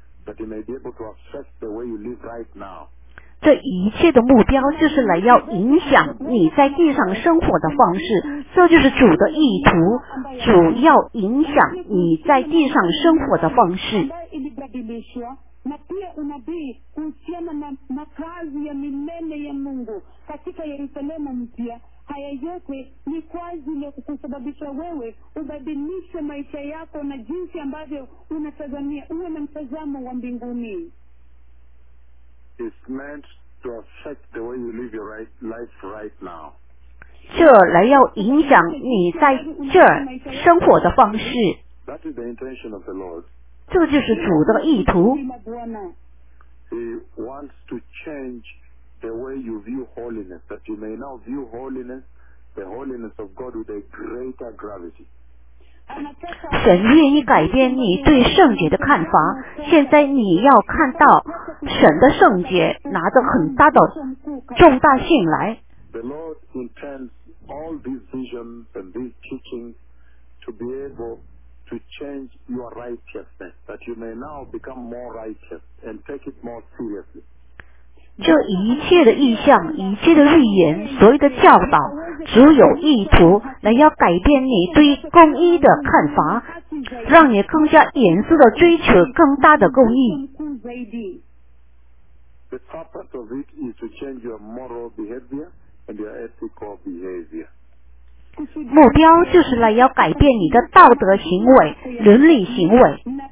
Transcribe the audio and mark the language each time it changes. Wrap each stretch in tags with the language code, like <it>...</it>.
<en>that you may be able to affect the way you live right now.</en> <zh>这一切的目标就是来要影响你在地上生活的方式，这就是主的意图，主要影响你在地上生活的方式。</zh> <sw>Haya yote ni kwa ajili ya kukusababisha wewe ubadilishe maisha yako na jinsi ambavyo unatazamia uwe na mtazamo wa mbinguni.</sw> <en>It's meant to affect the way you live your life right now.</en> <zh>这来要影响你在这儿生活的方式。</zh> <en>That is the intention of the Lord.</en> <zh>这就是主的意图。</zh> <en>He wants to change the way you view holiness, that you may now view holiness, the holiness of God with a greater gravity.</en> <zh>神愿意改变你对圣洁的看法，现在你要看到神的圣洁拿着很大的重大性来。</zh> <en>The Lord intends all these visions and these teachings to be able to change your righteousness, that you may now become more righteous and take it more seriously.</en> <zh>这一切的意象，一切的预言，所有的教导，只有意图来要改变你对公义的看法，让你更加严肃的追求更大的公义。</zh> <en>The purpose of it is to change your moral behavior and your ethical behavior.</en> <zh>目标就是来要改变你的道德行为、伦理行为。</zh>